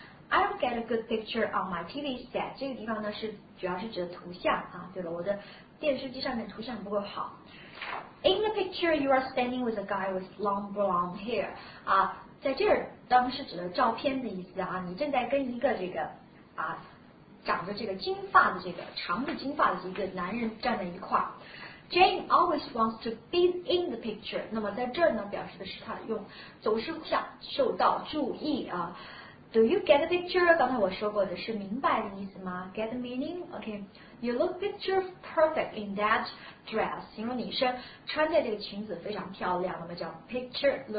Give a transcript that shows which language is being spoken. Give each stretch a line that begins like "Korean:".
English: I don't get a good picture on my TV set.
Chinese: 这个地方呢是主要是指的图像啊。对了，我的电视机上面图像不够好。
English: In the picture, you are standing with a guy with long blonde hair.
Chinese: 啊，在这儿当是指的照片的意思啊，你正在跟一个这个啊。长着这个金发的这个长的金发的一个男人站在一块儿。
English: Jane always wants to be in the picture.
Chinese: 那么在这儿呢，表示的是他用总是想受到注意啊。
English: Do you get the picture?
Chinese: 刚才我说过的是明白的意思吗
English: ？Get the meaning? Okay. You look picture perfect in that dress.
Chinese: 形容你身穿在这个裙子非常漂亮，那么叫 picture.